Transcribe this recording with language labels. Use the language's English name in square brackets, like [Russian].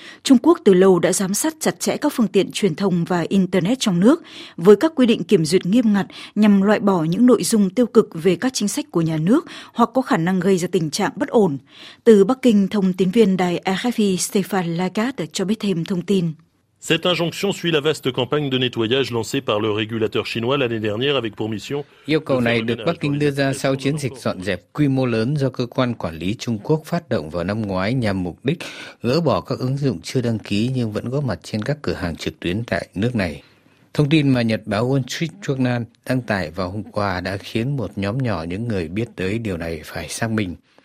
[Vietnamese] Trung Quốc từ lâu đã giám sát chặt chẽ các phương tiện truyền thông và Internet trong nước với các quy định kiểm duyệt nghiêm ngặt nhằm loại bỏ những nội dung tiêu cực về các chính sách của nhà nước hoặc có khả năng gây ra tình trạng bất ổn. Từ Bắc Kinh, thông tín viên đài RFI Stefan Lagarde cho biết thêm thông tin. [French] Cette injonction suit la vaste campagne de nettoyage lancée par le régulateur chinois l'année dernière avec pour mission. [Vietnamese] Yêu cầu này được Bắc Kinh đưa ra sau chiến dịch dọn dẹp quy mô lớn do cơ quan quản lý Trung Quốc phát động vào năm ngoái nhằm mục đích gỡ bỏ các ứng dụng chưa đăng ký nhưng vẫn góp mặt trên các cửa hàng trực tuyến tại nước này. Thông tin mà nhật báo Wall Street Journal đăng tải vào hôm qua đã khiến một nhóm nhỏ những người biết tới điều này phải xác minh.